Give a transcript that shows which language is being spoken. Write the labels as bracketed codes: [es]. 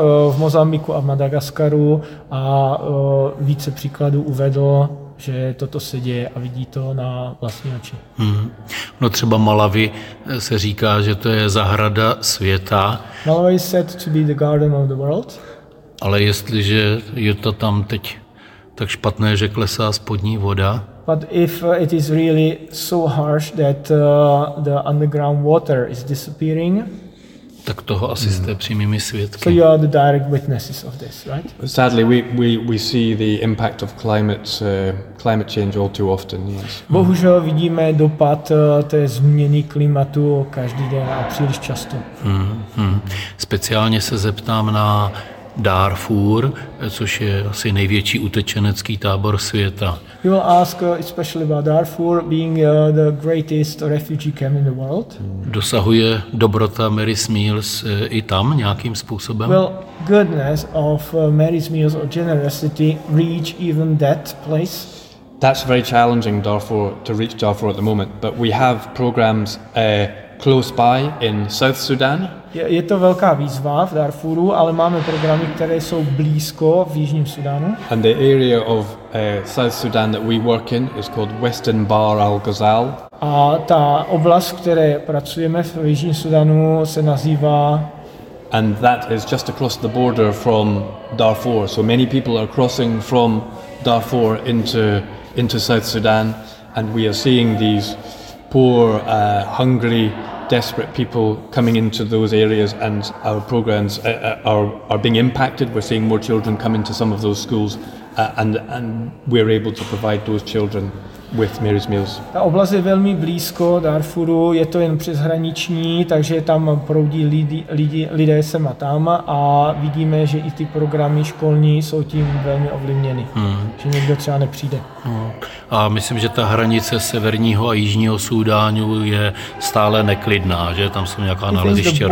[cs] V Mozambiku a Madagaskaru a více příkladů uvedl, že toto se děje a vidí to na vlastní oči. No třeba Malawi se říká, že to je zahrada světa. [en] Malawi is said to be the garden of the world. [cs] Ale jestliže je to tam teď tak špatné, že klesá spodní voda. [en] But if it is really so harsh that the underground water is disappearing, [cs] tak toho asi jste přímými svědky. [en] So you are the direct witnesses of this, right? Sadly, we see the impact of climate change all too often. Yes. [cs] Bohužel vidíme dopad té změny klimatu každý den a příliš často. Speciálně se zeptám na Darfur, což je asi největší utečenecký tábor světa. [en] We will ask especially about Darfur being the greatest refugee camp in the world. [cs] Dosahuje dobrota Mary's Meals i tam nějakým způsobem? [en] Well, goodness of Mary's Meals or generosity reach even that place? That's very challenging Darfur to reach Darfur at the moment, but we have programs close by in South Sudan. [cs] Je to velká výzva v Darfuru, ale máme programy, které jsou blízko v jižním Sudánu. [en] And the area of South Sudan that we work in is called Western Bahr al-Ghazal. [cs] A ta oblast, které pracujeme v jižním Sudánu, se nazývá. [en] And that is just across the border from Darfur. So many people are crossing from Darfur into South Sudan, and we are seeing these poor, hungry, desperate people coming into those areas, and our programs are being impacted. We're seeing more children come into some of those schools, and we're able to provide those children with Mary's Meals. [cs] Ta oblast je velmi blízko Darfuru, je to jen přeshraniční, takže tam proudí lidé sem a tam a vidíme, že i ty programy školní jsou tím velmi ovlivněny, že někdo třeba nepřijde. A myslím, že ta hranice severního a jižního Súdánu je stále neklidná, že tam jsou nějaká naleziště ropy.